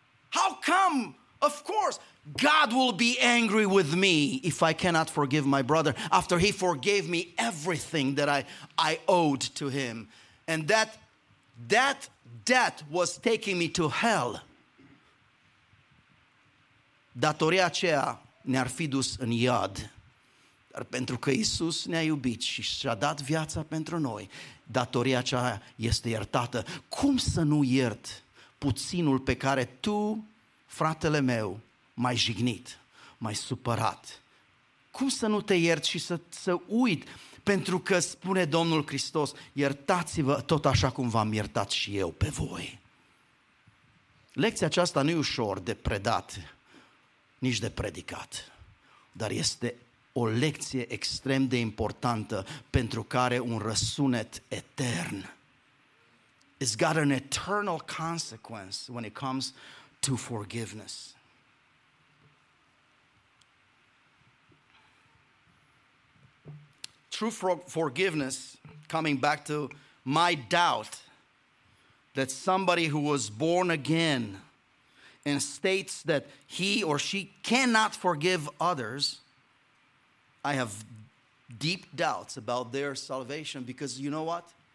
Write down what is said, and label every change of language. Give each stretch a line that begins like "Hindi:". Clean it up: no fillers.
English: How come? Of course, God will be angry with me if I cannot forgive my brother after he forgave me everything that I owed to him. And that debt was taking me to hell.
Romanian: Datoria aceea ne-ar fi dus în iad. Dar pentru că Iisus ne-a iubit și și-a dat viața pentru noi, datoria aceea este iertată. Cum să nu iert puținul pe care tu, fratele meu, m-ai jignit, m-ai supărat? Cum să nu te iert și să uit? Pentru că spune Domnul Hristos, iertați-vă tot așa cum v-am iertat și eu pe voi. Lecția aceasta nu e ușor de predat, nici de predicat, dar este o lecție extrem de importantă pentru care un răsunet etern.
English: It's got an eternal consequence when it comes to forgiveness. True forgiveness, coming back to my doubt that somebody who was born again and states that he or she cannot forgive others, I have deep doubts about their salvation, because you know what?